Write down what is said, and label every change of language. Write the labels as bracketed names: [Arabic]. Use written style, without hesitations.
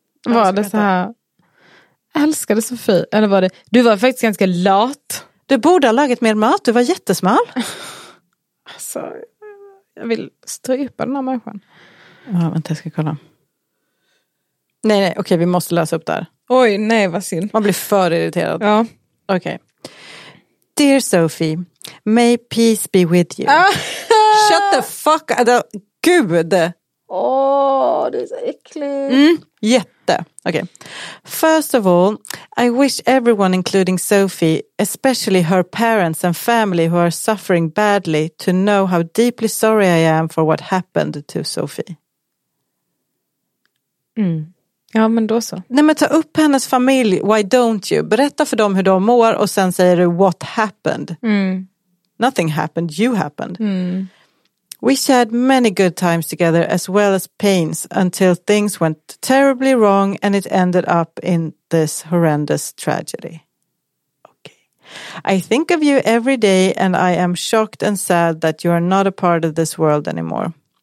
[Swedish] Var det så här, älskade Sofie? Eller var det, du var faktiskt ganska lat. Du borde ha lagat mer mat, du var jättesmal. Alltså, jag vill strypa den här människan. Ja, vänta, jag ska kolla. Nej, nej, okej, vi måste lösa upp där. Oj, nej, vad synd. Man blir för irriterad. Ja. Okej. [English] Dear Sophie, may peace be with you. Shut the fuck up. Gud! [Swedish] Åh, det är så äckligt. Mm, jätte. Okej. [English] First of all, I wish everyone, including Sophie, especially her parents and family who are suffering badly, to know how deeply sorry I am for what happened to Sophie. [Swedish] Mm. Ja, men då så. Nej, men ta upp hennes familj. [English] Why don't you? [Swedish] Berätta för dem hur de mår och sen säger du, [English] what happened? Mm. Nothing happened, you happened. Mm. We shared many good times together as well as pains until things went terribly wrong and it ended up in this horrendous tragedy. Okay. I think of you every day and I am shocked and sad that you are not a part of this world anymore.